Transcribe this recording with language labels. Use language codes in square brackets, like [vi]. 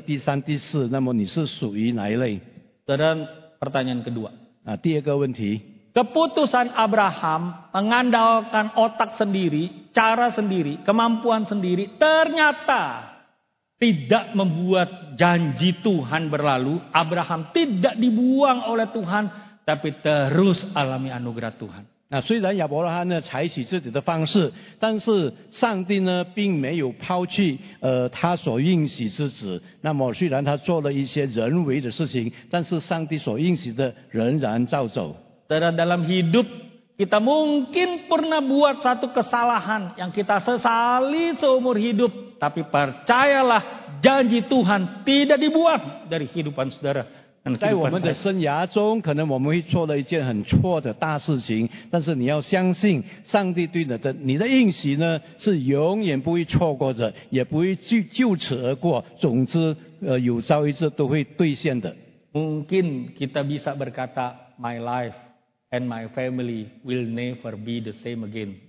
[zh] 那么第一的就是遵守这个教规，然后第二、第三、第四，那么你是属于哪一类？ [id] Dan pertanyaan kedua. [zh] 第二个问题, [id] keputusan Abraham mengandalkan otak sendiri, cara sendiri, kemampuan sendiri, ternyata tidak membuat janji Tuhan berlalu. Abraham tidak dibuang oleh Tuhan, tapi terus alami anugerah Tuhan. [zh] 虽然亚伯拉罕呢采取自己的方式，但是上帝呢并没有抛弃他所应许之子。那么虽然他做了一些人为的事情，但是上帝所应许的仍然照走。 [id] Dalam hidup kita mungkin pernah buat satu kesalahan yang kita sesali seumur hidup, tapi percayalah janji Tuhan tidak dibuat dari kehidupan saudara. [zh] 在我们的生涯中，可能我们会做了一件很错的大事情，但是你要相信上帝对你的应许呢，是永远不会错过的，也不会就此而过。总之，有朝一日都会兑现的。 [id] Mungkin kita bisa berkata, [en] my life and my family will never be the same again.